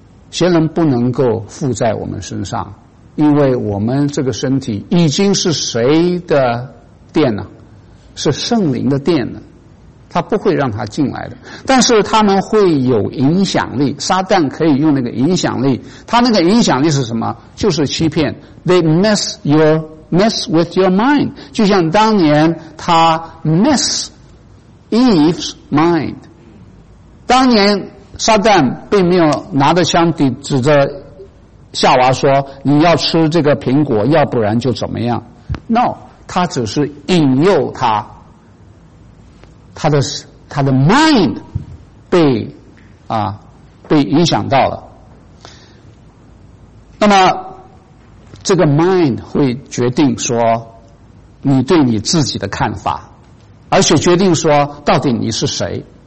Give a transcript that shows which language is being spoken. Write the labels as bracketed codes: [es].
[zh] 邪灵不能够附在我们身上，因为我们这个身体已经是谁的殿呢？是圣灵的殿呢，他不会让他进来的。但是他们会有影响力，撒旦可以用那个影响力，他那个影响力是什么？就是欺骗。 [en] They mess with your mind， [zh] 就像当年他 [en] mess Eve's mind。 [zh] 当年撒旦并没有拿着枪指着夏娃说你要吃这个苹果要不然就怎么样， No， 他只是引诱他的 mind 被影响到了。那么这个 mind 会决定说你对你自己的看法，而且决定说到底你是谁。